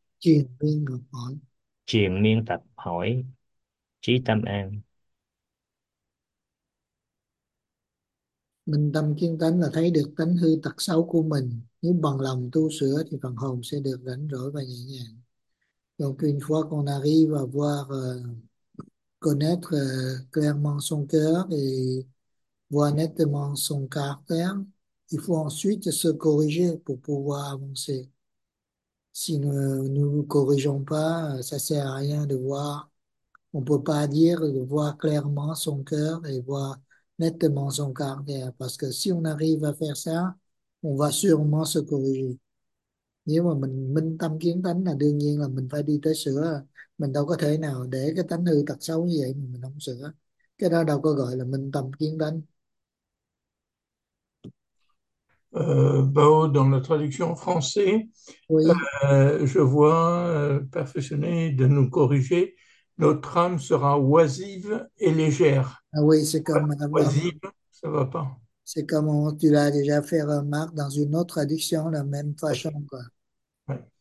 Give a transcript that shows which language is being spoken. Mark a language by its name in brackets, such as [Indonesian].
[Vietnamese] Chuyện viên gặp hỏi. triền miên tập hỏi trí tâm an. Minh tâm kiến tánh là thấy được tánh hư tật xấu của mình. Nếu bằng lòng tu sửa thì phần hồn sẽ được rảnh rỗi và nhẹ nhàng. [French] Donc une fois qu'on arrive à voir, connaître clairement son cœur et voir nettement son caractère, il faut ensuite se corriger pour pouvoir avancer. Si nous ne corrigeons pas, ça sert à rien de voir. On peut pas dire de voir clairement son cœur et voir nettement son caractère. Parce que si on arrive à faire ça, on va sûrement se corriger. [Vietnamese] Nếu mà mình minh tâm kiến tánh là đương nhiên là mình phải đi tới sửa. Mình đâu có thể nào để cái tánh hư tật xấu như vậy mà mình không sửa. Cái đó đâu có gọi là minh tâm kiến tánh. [French] Bon, dans la traduction française, Oui. je vois perfectionné de nous corriger. Notre âme sera oisive et légère. Ah oui, c'est comme avant. Oisive, ça va pas. C'est comme tu l'as déjà fait remarquer dans une autre traduction, la même façon, quoi.